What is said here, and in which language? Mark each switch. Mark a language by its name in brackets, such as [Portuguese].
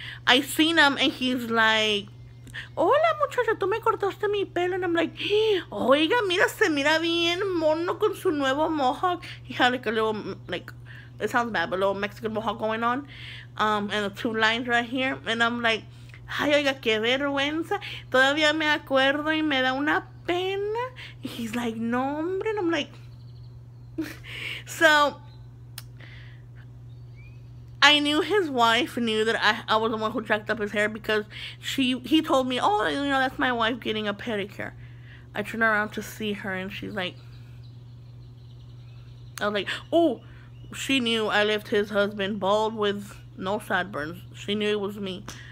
[English] I seen him, and he's like, [Spanish] hola, muchacha, tú me cortaste mi pelo, [English] and I'm like, [Spanish] oiga, mira, se mira bien, mono con su nuevo mohawk. [English] He had like a little, like, it sounds bad, but a little Mexican mohawk going on, and the two lines right here, and I'm like, [Spanish] ay, oiga, qué vergüenza. Todavía me acuerdo y me da una pena. [English] He's like, [Spanish] no, hombre. [English] And I'm like, so I knew his wife knew that I was the one who jacked up his hair because he told me, oh, you know, that's my wife getting a pedicure. I turned around to see her and she's like, I was like, oh, she knew I left his husband bald with no sideburns. She knew it was me.